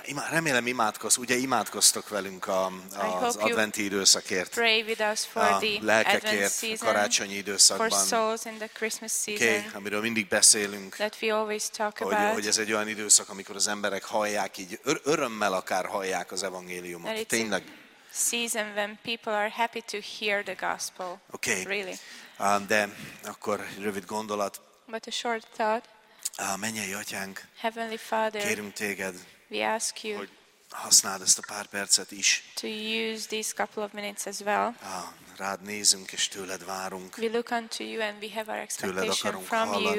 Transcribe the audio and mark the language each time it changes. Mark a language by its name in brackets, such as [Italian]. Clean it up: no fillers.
[Hungarian] Remélem imádkoz, ugye imádkoztok velünk az adventi időszakért, lelkekért, [English] season, [Hungarian] a karácsonyi időszakban, [English] okay, [Hungarian] amiről mindig beszélünk, hogy ez egy olyan időszak, amikor az emberek hallják, így örömmel akár hallják az evangéliumot, tényleg. [English] Season when people are happy to hear the gospel, okay. Really. [Hungarian] De akkor rövid gondolat. [English] But a short thought. [Hungarian] Mennyei Atyánk, [English] Heavenly Father, [Hungarian] kérünk téged, [English] we ask you, [Hungarian] hogy használd ezt a pár percet is. [English] To use these couple of minutes as well. [Hungarian] Rád nézünk és tőled várunk. [English] We look unto you and we have our expectation from you.